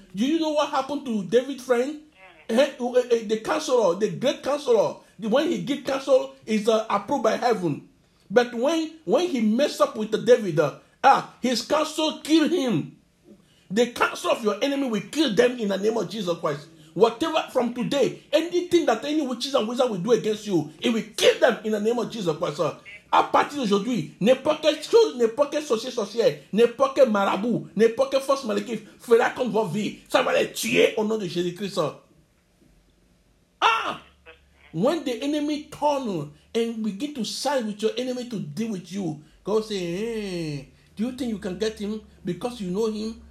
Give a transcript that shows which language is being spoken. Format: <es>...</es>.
<en>Do you know what happened to David's friend? The counselor, the great counselor, when he give counsel, is approved by heaven. But when he mess up with David, his counsel kill him. The counsel of your enemy will kill them in the name of Jesus Christ. Whatever from today, anything that any witches and wizards will do against you, it will kill them in the name of Jesus Christ.</en> <fr>À partir d'aujourd'hui, n'importe quelle chose, n'importe quelle sorcière, n'importe quel marabout, n'importe quelle force maléfique fera contre votre vie, ça va les tuer au nom de Jésus Christ.</fr> <en>When the enemy tunnel and begin to side with your enemy to deal with you, God say, hey, do you think you can get him because you know him?</en>